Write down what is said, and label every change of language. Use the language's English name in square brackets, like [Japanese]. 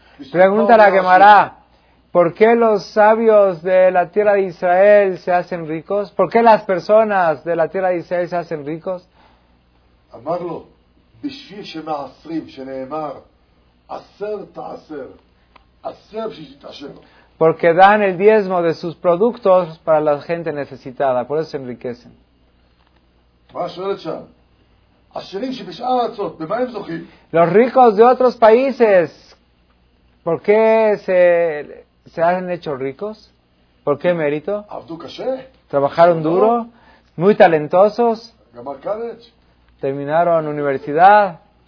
[Spanish] Pregunta la Gemara, ¿por qué los sabios de la tierra de Israel se hacen ricos? ¿Por qué las personas de la tierra de Israel se hacen ricos? Amarlo, [Hebrew] בשביל שמעשרים, שנאמר, עשר תעשר, עשר שתעשר. [Spanish] Porque dan el diezmo de sus productos para la gente necesitada, por eso se enriquecen. [Hebrew] מה שואלת שם? עשרים שבשאר ארצות, במה הם זוכים? [Spanish] Los ricos de otros países, ¿por qué se han hecho ricos? ¿Por qué mérito? [Hebrew] עבדו קשה? [Spanish] ¿Trabajaron duro? ¿Muy talentosos? [Hebrew] גמר קארץ? [Spanish] Terminaron universidad.